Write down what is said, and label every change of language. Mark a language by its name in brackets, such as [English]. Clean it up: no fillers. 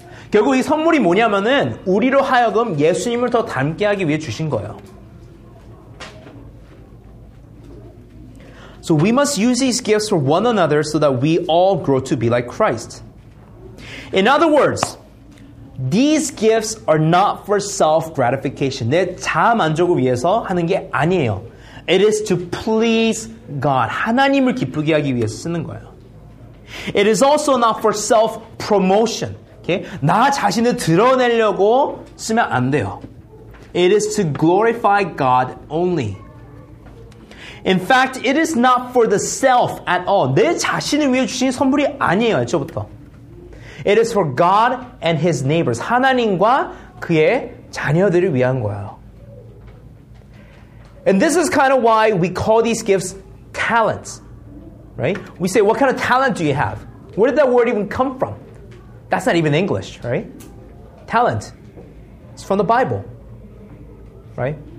[Korean] 결국 이 선물이 뭐냐면은 우리로 하여금 예수님을 더 닮게 하기 위해 주신 거예요. [English] So we must use these gifts for one another so that we all grow to be like Christ. In other words, these gifts are not for self-gratification. [Korean] 내 자만족을 위해서 하는 게 아니에요. [English] It is to please God. [Korean] 하나님을 기쁘게 하기 위해서 쓰는 거예요. [English] It is also not for self-promotion. Okay? [Korean] 나 자신을 드러내려고 쓰면 안 돼요. [English] It is to glorify God only. In fact, it is not for the self at all. [Korean] 내 자신을 위해 주신 선물이 아니에요, 애초부터. [English] It is for God and His neighbors. [Korean] 하나님과 그의 자녀들을 위한 거예요. [English] And this is kind of why we call these gifts talents. Right? We say, what kind of talent do you have? Where did that word even come from? That's not even English, right? Talent. It's from the Bible. Right?